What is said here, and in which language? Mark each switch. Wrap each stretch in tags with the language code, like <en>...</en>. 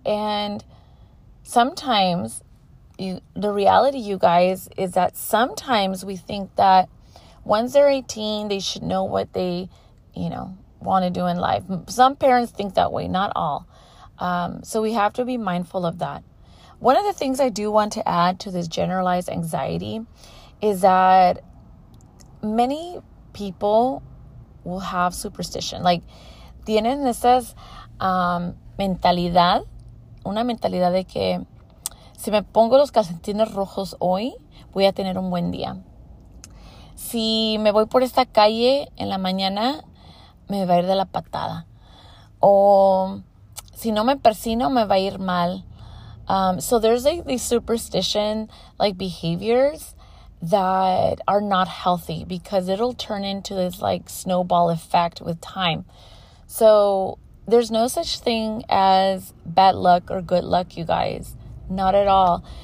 <en>And sometimes the reality, you guys, is that sometimes we think that once they're 18, they should know what they, you know, want to do in life. Some parents think that way, not all. So we have to be mindful of that. One of the things I do want to add to this generalized anxiety is that many people will have superstition.</en> <es>Like, tienen esa mentalidad, una mentalidad de que si me pongo los calcetines rojos hoy, voy a tener un buen día. Si me voy por esta calle en la mañana, me va a ir de la patada. O si no me persino, me va a ir mal.</es> <en>So there's like these superstition, like behaviors that are not healthy, because it'll turn into this like snowball effect with time. So there's no such thing as bad luck or good luck, you guys. Not at all.</en>